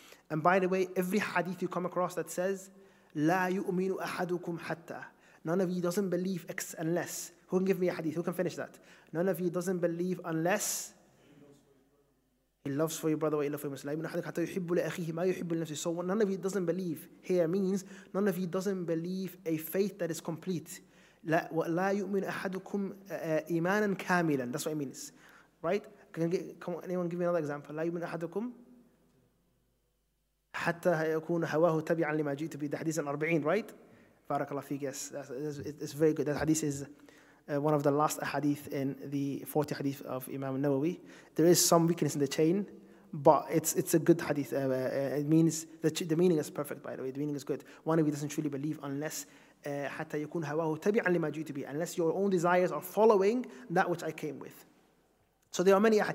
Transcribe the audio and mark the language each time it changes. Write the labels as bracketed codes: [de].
[en] And by the way, every hadith you come across that says, [ar] لا يؤمن أحدكم حتى, [en] none of you doesn't believe unless, who can give me a hadith, who can finish that, none of you doesn't believe unless he loves for your brother, [ar] وإلا في مسلم, لا يؤمن أحدكم حتى يحب لأخيه ما يحب لنفسه. [en] So none of you doesn't believe here means none of you doesn't believe a faith that is complete. [ar] لا يؤمن أحدكم إيمانا كاملا, [en] that's what it means, right? Can anyone give me another example? [ar] لا يؤمن أحدكم حتى يكون هواه تبعا لما جئت به. [en] The hadith is 40, right? [ar] بارك الله فيك. [en] Yes, it's very good. That hadith is one of the last hadith in the 40 hadith of Imam Nawawi. There is some weakness in the chain, but it's a good hadith. It means the meaning is perfect, by the way. The meaning is good. One of you doesn't truly believe unless [ar] حتى يكون هواه تبعا لما جئت به, [en] unless your own desires are following that which I came with. So there are many.